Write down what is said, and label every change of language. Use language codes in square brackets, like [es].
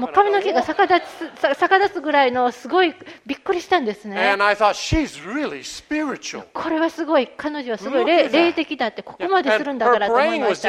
[ja] もう髪の毛が逆立つぐらいのすごいびっくりしたんですね。 [en] And I thought, she's really spiritual. [ja] これはすごい、彼女はすごい霊的だって、ここまでするんだからと思いました。